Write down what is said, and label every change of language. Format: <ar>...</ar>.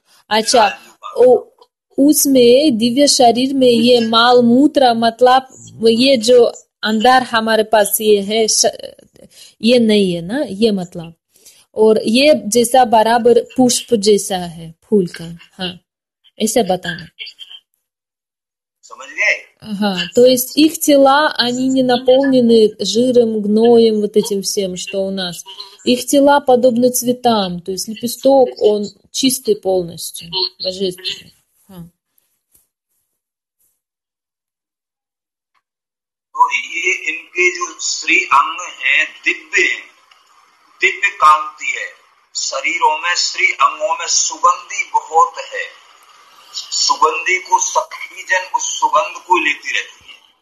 <hi>अच्छा, उसमें दिव्य शरीर में ये माल मूत्र, मतलब ये जो अंदर हमारे पास ये है, ये नहीं है ना, ये मतलब. और ये जैसा बराबर पुष्प जैसा है फूल का. हाँ, ऐसे बताना. समझ गए? हाँ, तो</hi> <ru>их тела, они не наполнены жиром, гноем, вот этим всем, что у нас. Их тела подобны цветам, то есть лепесток, он чистый полностью, божественный.</ru> <hi>То ये इनके जो श्री अंग हैं दिव्य, दिव्य कांति है. शरीरों में श्री अंगों में सुगंधि बहुत है. सुगंधि को सखीजन उस सुगंध को लेती रहती है.</hi>